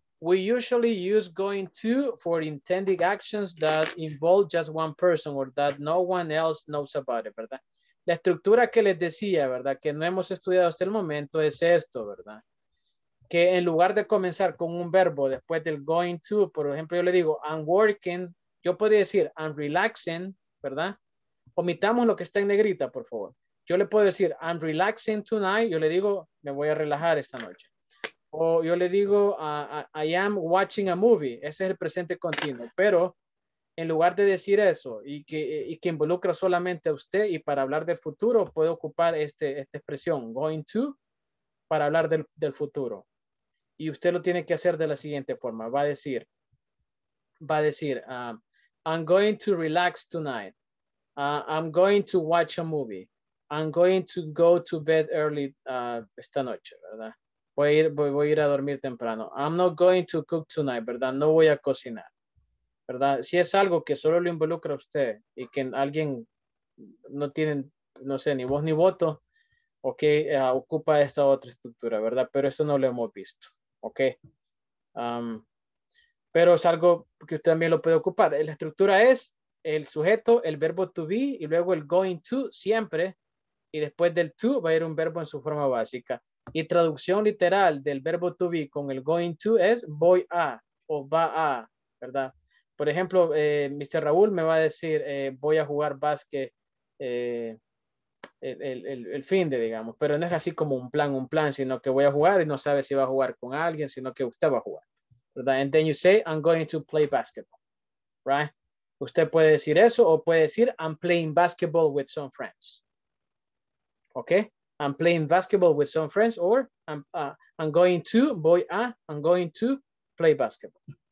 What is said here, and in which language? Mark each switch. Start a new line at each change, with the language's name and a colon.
English: We usually use going to for intended actions that involve just one person or that no one else knows about it, ¿verdad?
Spanish: La estructura que les decía, ¿verdad? Que no hemos estudiado hasta el momento es esto, ¿verdad? Que en lugar de comenzar con un verbo después del going to, por ejemplo, yo le digo,
English: I'm working,
Spanish: yo podría decir,
English: I'm relaxing,
Spanish: ¿verdad? Omitamos lo que está en negrita, por favor. Yo le puedo decir,
English: I'm relaxing tonight,
Spanish: yo le digo, me voy a relajar esta noche. O yo le digo,
English: I am watching a movie,
Spanish: ese es el presente continuo, pero... En lugar de decir eso y que involucra solamente a usted y para hablar del futuro, puede ocupar esta expresión, going to, para hablar del futuro. Y usted lo tiene que hacer de la siguiente forma. Va a decir,
English: I'm going to relax tonight. I'm going to watch a movie. I'm going to go to bed early
Spanish: esta noche,
English: ¿verdad?
Spanish: Voy a ir a dormir temprano.
English: I'm not going to cook tonight,
Spanish: ¿verdad? No voy a cocinar. ¿Verdad? Si es algo que solo lo involucra a usted y que alguien no tiene, no sé, ni voz ni voto, ok, ocupa esta otra estructura, ¿verdad? Pero eso no lo hemos visto, ok. Pero es algo que usted también lo puede ocupar. La estructura es el sujeto, el verbo to be y luego el going to siempre. Y después del to va a ir un verbo en su forma básica. Y traducción literal del verbo to be con el going to es voy a o va a, ¿verdad? Por ejemplo, Mr. Raúl me va a decir, voy a jugar básquet el fin de, digamos. Pero no es así como un plan, sino que voy a jugar y no sabe si va a jugar con alguien, sino que usted va a jugar, ¿verdad?
English: And then you say, I'm going to play basketball, right?
Spanish: Usted puede decir eso o puede decir,
English: I'm playing basketball with some friends. Okay? I'm playing basketball with some friends or I'm going to play basketball.